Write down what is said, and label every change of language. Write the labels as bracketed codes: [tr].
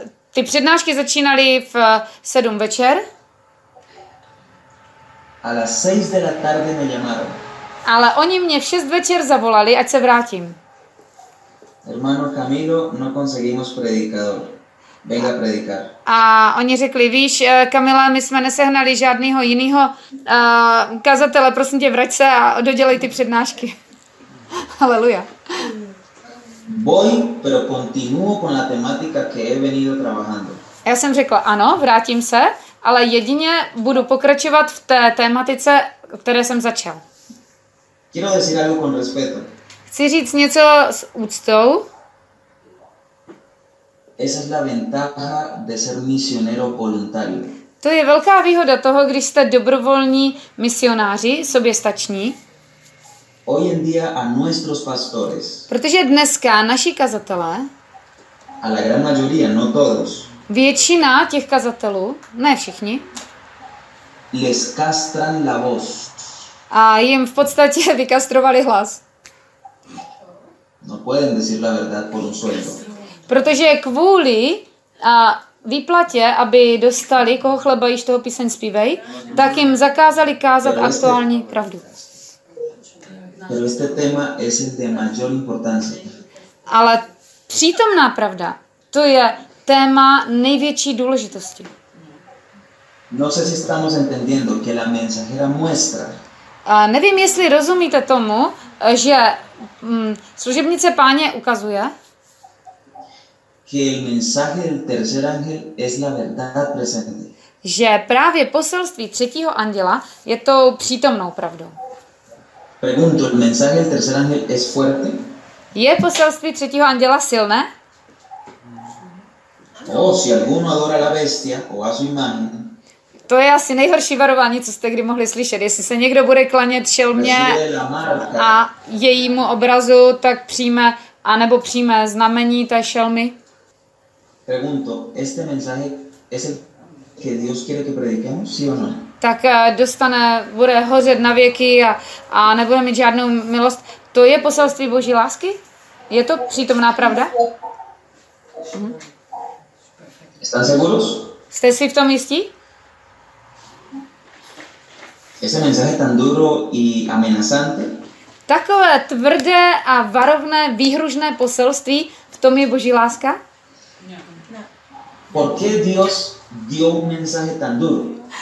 [cs] Ty přednášky začínaly v 7 večer. [es] A las 6 de la tarde me llamaron. [cs] Ale oni mě v 6 večer zavolali, ať se vrátím. [es] Hermano Camilo, no conseguimos predicador. Venga a predicar. [cs] A oni řekli, víš, Kamila, my jsme nesehnali žádného jiného kazatele, prosím tě, vrať se a dodělej ty přednášky. Haleluja. [es] Voy, pero continúo con la temática que he venido trabajando. [cs] Já jsem řekl, ano, vrátím se, ale jedině budu pokračovat v té tematice, které jsem začal. [es] Quiero decir algo con respeto. [cs] Chci říct něco s úctou. [es] Esa es la ventaja de ser misionero voluntario. [cs] To je velká výhoda toho, když jste dobrovolní misionáři, soběstační. [es] Hoy en día a nuestros pastores. [cs] Protože dneska naši kazatelé. [es] A la gran mayoría, no todos. [cs] Většina těch kazatelů, ne všichni. [es] Les castran la voz. [cs] A jim v podstatě vykastrovali hlas. [es] No pueden decir la verdad por un sueldo. [cs] Protože kvůli výplatě, aby dostali, koho chleba již toho píseň zpívej, tak jim zakázali kázat aktuální pravdu. [es] Pero este tema es de mayor importancia. [cs] Ale přítomná pravda, to je téma největší důležitosti. [es] No sé si estamos entendiendo que la mensajera muestra. [cs] A nevím, jestli rozumíte tomu, že služebnice páně ukazuje, [es] que el mensaje del tercer ángel es la verdad presente. [cs] Že právě poselství třetího anděla je tou přítomnou pravdou. [es] Pregunto, el mensaje del tercer ángel es fuerte? [cs] Je poselství třetího anděla silné? [es] Oh, si alguno adora la bestia o a su imagen. [cs] To je asi nejhorší varování, co jste kdy mohli slyšet. Jestli se někdo bude klanět šelmě a jejímu obrazu, tak přijme, anebo přijme znamení té šelmy. [es] Pregunto, este mensaje es el que Dios quiere que prediquemos, sí o no? [cs] Tak dostane, bude hořet na věky a nebude mít žádnou milost. To je poselství Boží lásky? Je to přítomná pravda? [es] ¿Están seguros? [cs] Jste si v tom jistí? [es] Ese mensaje tan duro y amenazante? [cs] Takové tvrdé a varovné, výhružné poselství, v tom je Boží láska? [es] ¿Por qué Dios dio un mensaje tan duro?